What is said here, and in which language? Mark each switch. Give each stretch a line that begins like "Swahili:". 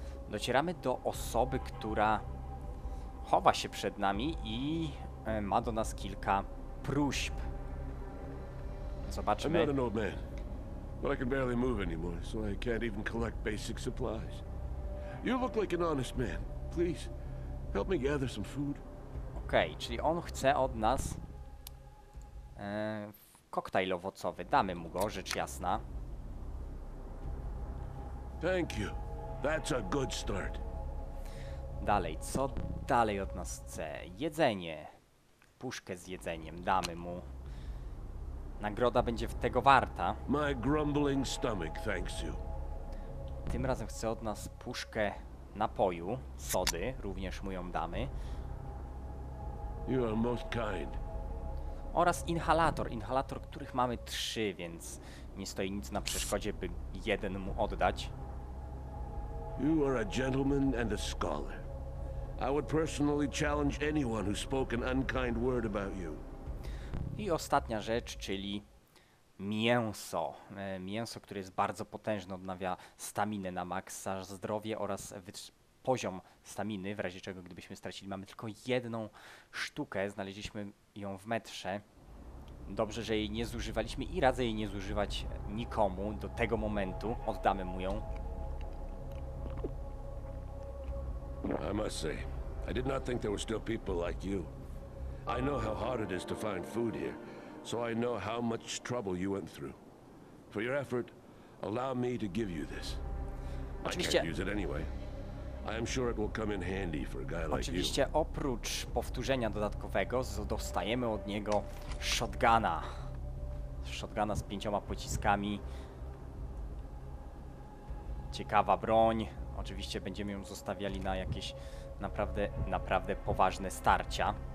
Polish: Docieramy do osoby, która chowa się przed nami i ma do nas kilka próśb. Zobaczmy.
English: But I can barely move anymore, so I can't even collect basic supplies. You look like an honest man. Please, help me gather some food.
Polish: Okej, okay, czyli on chce od nas koktajl owocowy. Damy mu go, rzecz jasna.
English: Thank you. That's a good start.
Polish: Dalej, co dalej od nas chce? Jedzenie. Puszkę z jedzeniem damy mu. Nagroda będzie tego warta.
English: My grumbling stomach thanks you.
Polish: Tym razem chce od nas puszkę napoju, sody, również mu ją damy.
English: You are most kind.
Polish: Oraz inhalator. Inhalator, których mamy trzy, więc nie stoi nic na przeszkodzie, by jeden mu oddać.
English: You are a gentleman and a scholar. I would personally challenge anyone who spoke an unkind word about you.
Polish: I ostatnia rzecz, czyli mięso. Mięso, które jest bardzo potężne, odnawia staminę na maksa, zdrowie oraz poziom staminy, w razie czego gdybyśmy stracili. Mamy tylko jedną sztukę, znaleźliśmy ją w metrze. Dobrze, że jej nie zużywaliśmy i radzę jej nie zużywać nikomu do tego momentu. Oddamy mu ją.
English: I must say, I did not think there were still people like you. I know how hard it is to find food here, so I know how much trouble you went through. For your effort, allow me to give you this.
Polish: Oczywiście.
English: I can't use it anyway. I am sure it will come in handy for a guy like
Polish: oczywiście,
English: you.
Polish: Oczywiście, oprócz powtórzenia dodatkowego, dostajemy od niego shotguna. Shotguna z pięcioma pociskami. Ciekawa broń. Oczywiście będziemy ją zostawiali na jakieś naprawdę, naprawdę poważne starcia.